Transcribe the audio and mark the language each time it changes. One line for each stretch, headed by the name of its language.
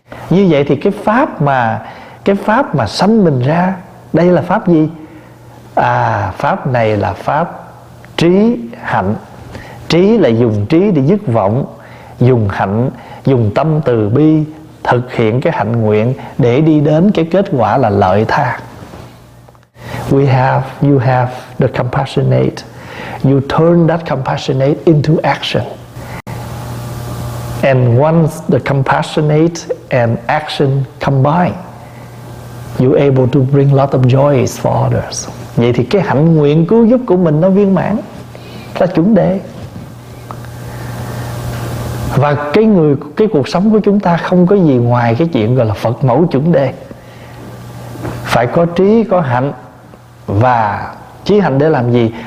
Vietnamese: Như vậy thì cái pháp mà, cái pháp mà sanh mình ra, đây là pháp gì? À, pháp này là pháp trí hạnh. Trí là dùng trí để dứt vọng, dùng hạnh, dùng tâm từ bi thực hiện cái hạnh nguyện để đi đến cái kết quả là lợi tha.
English: We have, you have the compassionate. You turn that compassionate into action. And once the compassionate and action combine, you're able to bring lot of joys for others.
Vietnamese: Vậy thì cái hạnh nguyện cứu giúp của mình nó viên mãn, là chuẩn đề. Và cái người, cái cuộc sống của chúng ta không có gì ngoài cái chuyện gọi là Phật mẫu chuẩn đề. Phải có trí, có hạnh. Và trí hạnh để làm gì?